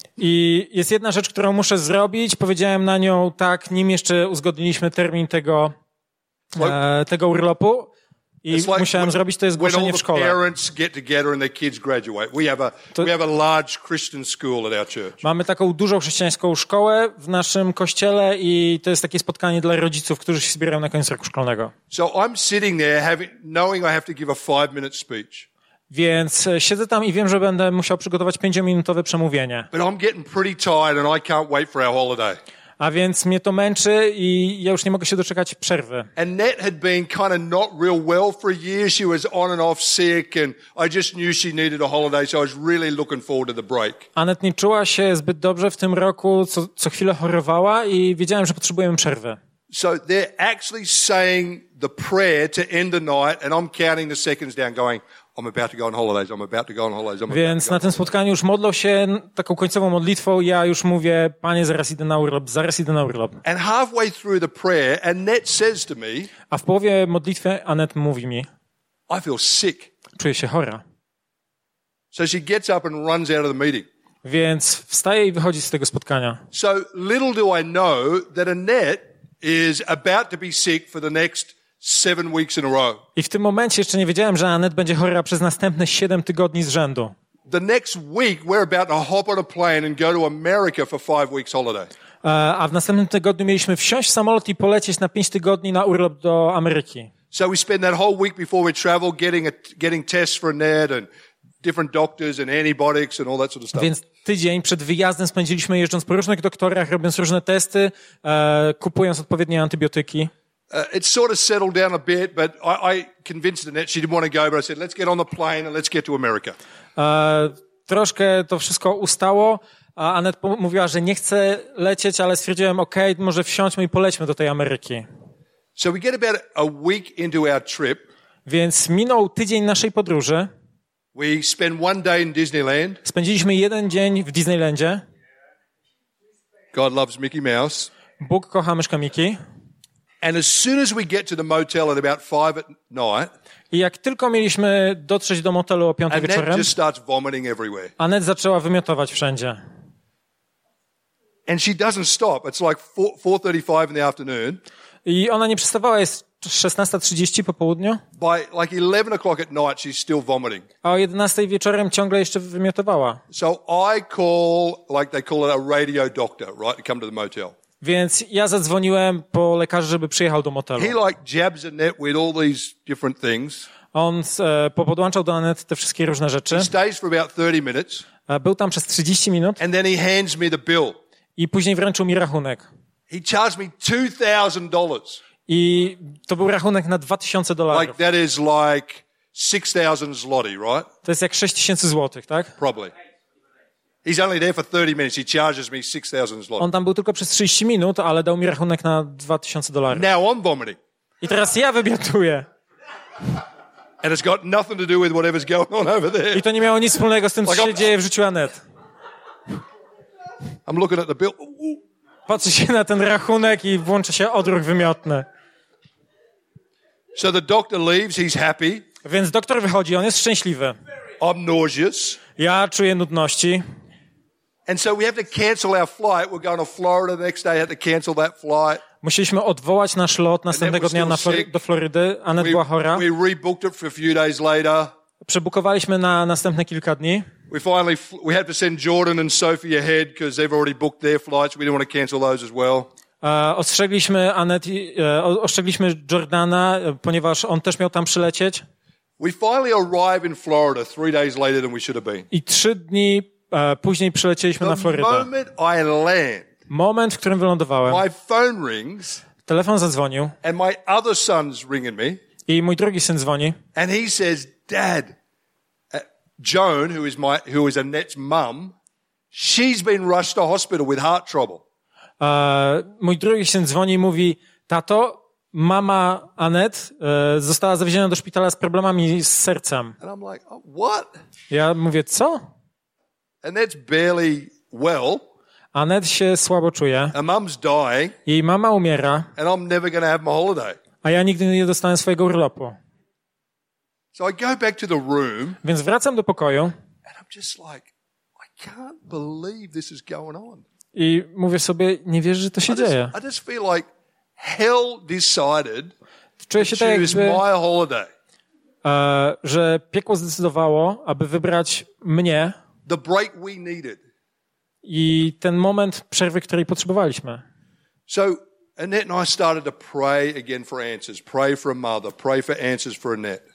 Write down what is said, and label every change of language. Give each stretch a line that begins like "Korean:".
Polish: I jest jedna rzecz, którą muszę zrobić. Powiedziałem na nią tak, nim jeszcze uzgodniliśmy termin tego urlopu.
English: I like
Polish: musiałem zrobić to jest zgłoszenie w szkole.
English: When all the parents get together and their kids graduate. We have a large Christian school at our church.
Polish: Mamy taką dużą chrześcijańską szkołę w naszym kościele i to jest takie spotkanie dla rodziców, którzy się zbierają na koniec roku szkolnego.
English: So I'm sitting there knowing I have to give a 5-minute speech.
Polish: Więc siedzę tam i wiem, że będę musiał przygotować 5-minutowe przemówienie.
English: But I'm getting pretty tired and I can't wait for our holiday.
Polish: A więc mnie to męczy i ja już nie mogę się doczekać przerwy.
English: Annette had been kind of not real well for a year. She was on and off sick and I just knew she needed a holiday, so I was really looking forward to the break.
Polish: Annette nie czuła się zbyt dobrze w tym roku, co chwilę chorowała i wiedziałem, że potrzebujemy przerwy.
English: So they're actually saying the prayer to end the night and I'm counting the seconds down going, I'm about to go on holidays, I'm about to go on holidays.
Polish: Więc na tym spotkaniu już modlą się taką końcową modlitwą. Ja już mówię, Panie, zaraz idę na urlop, zaraz idę na urlop.
English: And halfway through the prayer, Annette says to me,
Polish: a w połowie modlitwy Annette mówi mi,
English: I feel sick.
Polish: Czuję się chora.
English: So she gets up and runs out of the meeting.
Polish: Więc wstaje i wychodzi z tego spotkania.
English: So little do I know that Annette is about to be sick for the next 7 weeks in a row.
Polish: I w tym momencie jeszcze nie wiedziałem, że Annette będzie chora przez następne 7 tygodni z rzędu.
English: The next week we're about to hop on a plane and go to America for 5 weeks holiday.
Polish: A w następnym tygodniu mieliśmy wsiąść w samolot i polecieć na 5 tygodni na urlop do Ameryki.
English: So we spend that whole week before we travel getting tests for Annette and different doctors and antibiotics and all that sort of stuff.
Polish: Więc tydzień przed wyjazdem spędziliśmy jeżdżąc po różnych doktorach, robiąc różne testy, kupując odpowiednie antybiotyki.
English: It sort of settled down a bit, but I convinced Annette she didn't want to go, but I said, let's get on the plane and let's get to America.
Polish: Troszkę to wszystko ustało. Annette mówiła, że nie chce lecieć, ale stwierdziłem, okej, okay, może wsiądźmy i polećmy do tej Ameryki.
English: So we get about a week into our trip.
Polish: Więc minął tydzień naszej podróży.
English: We spend one day in Disneyland.
Polish: Spędziliśmy jeden dzień w Disneylandzie.
English: God loves Mickey Mouse.
Polish: Bóg kocha myszka Mickey.
English: And as soon as we get to the motel at about 5 at night.
Polish: I jak tylko mieliśmy dotrzeć do motelu o 5 wieczorem.
English: Just starts vomiting everywhere.
Polish: Annette zaczęła wymiotować wszędzie.
English: And she doesn't stop. It's like 4:35 in the afternoon.
Polish: I ona nie przestawała, jest 16:30 po południu.
English: By like 11 o'clock at night she's still vomiting.
Polish: A o 11 wieczorem ciągle jeszcze wymiotowała.
English: So I call like they call it a radio doctor, right, to come to the motel.
Polish: Więc ja zadzwoniłem po lekarza, żeby przyjechał do motelu.
English: He like jabs Annette with all these different things.
Polish: On podłączał do Annette te wszystkie różne rzeczy.
English: He stays for about 30 minutes.
Polish: Był tam przez 30 minut.
English: And then he hands me the bill.
Polish: I później wręczył mi rachunek.
English: He charged me $2,000.
Polish: I to był rachunek na $2,000.
English: Like that is like 6,000 zloty, right?
Polish: To jest jak 6,000 złotych, tak?
English: Probably. He's only there for 30 minutes. He charges me 6,000 zloty.
Polish: On tam był tylko przez 30 minut, ale dał mi rachunek na $2,000.
English: Now I'm vomiting.
Polish: I teraz ja wymiotuję.
English: And it's got nothing to do with whatever's going on over there.
Polish: I to nie miało nic wspólnego z tym, co się dzieje w życiu Annette.
English: I'm looking at the bill.
Polish: Patrzy się na ten rachunek i włącza się odruch wymiotny.
English: So the doctor leaves, he's happy.
Polish: Więc doktor wychodzi, on jest szczęśliwy.
English: I'm nauseous.
Polish: Ja czuję nudności.
English: And so we have to cancel our flight. We're going to Florida the next day. I had to cancel that flight.
Polish: Musieliśmy odwołać nasz lot następnego dnia do Florydy. Annette była chora.
English: We rebooked it for a few days later.
Polish: Przebukowaliśmy na następne kilka dni.
English: We had to send Jordan and Sophie ahead because they've already booked their flights. We didn't want to cancel those as well.
Polish: Ostrzegliśmy Annette, ostrzegliśmy Jordana, ponieważ on też miał tam przylecieć.
English: We finally arrive in Florida 3 days later than we should have been.
Polish: I 3 dni później przylecieliśmy na Florydę.
English: The moment I land,
Polish: moment, w którym wylądowałem,
English: my phone rings,
Polish: telefon zadzwonił,
English: and my other son's ringing me,
Polish: i mój drugi syn dzwoni,
English: and he says, Dad, Joan, who is Annette's mum, she's been rushed to hospital with heart trouble.
Polish: Mój drugi syn dzwoni i mówi, tato, mama Annette została zawieziona do szpitala z problemami z sercem.
English: And I'm like, oh, what?
Polish: Ja mówię, co?
English: Annette's barely well.
Polish: Annette się słabo czuje.
English: Her mum's dying.
Polish: Jej mama umiera.
English: And I'm never gonna have my holiday.
Polish: A ja nigdy nie dostanę swojego urlopu.
English: So I go back to the room.
Polish: Więc wracam do pokoju.
English: And I'm just like, I can't believe this is going on.
Polish: I mówię sobie, nie wierzę, że to się dzieje.
English: I just feel like hell decided.
Polish: Czuję się tak, jakby
English: my holiday.
Polish: Że piekło zdecydowało, aby wybrać mnie.
English: The break we needed.
Polish: I ten moment przerwy, której potrzebowaliśmy.
English: So Annette and I started to pray again for answers. Pray for a mother, pray for answers for Annette.